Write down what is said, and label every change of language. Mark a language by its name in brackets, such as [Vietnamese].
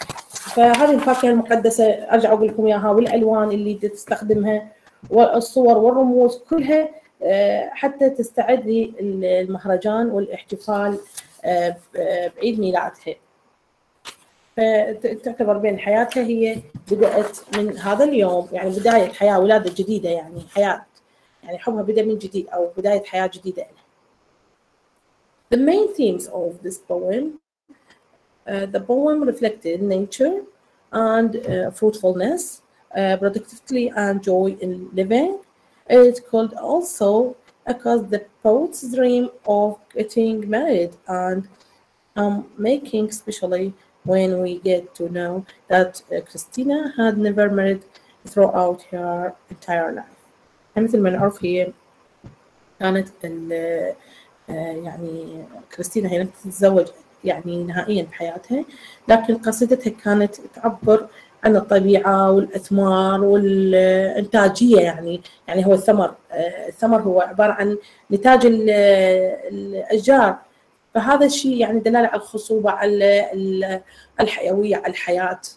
[Arabic] فهذه الفاكهة المقدسة أرجع أقول لكم إياها والألوان اللي تستخدمها والصور والرموز كلها حتى تستعد للمهرجان والاحتفال بعيد ميلادها تعتبر بين حياتها هي بدأت من هذا اليوم يعني بداية حياة ولادة جديدة يعني حياة يعني حبها بدأ من جديد أو بداية حياة جديدة لها. [English] The main themes of this poem, the poem reflected nature and fruitfulness, productively and joy in living. It could also cause the poet's dream of getting married and making, especially when we get to know that Christina had never married throughout her entire life. [Arabic] مثل ما نعرف هي كانت ال يعني كريستينا هي لم تتزوج يعني نهائيا بحياتها, لكن قصيدتها كانت تعبر عن الطبيعة والأثمار والإنتاجية, يعني هو الثمر, الثمر هو عبارة عن نتاج الأشجار, فهذا الشيء يعني دلالة على الخصوبة, على الحيوية, على الحياة.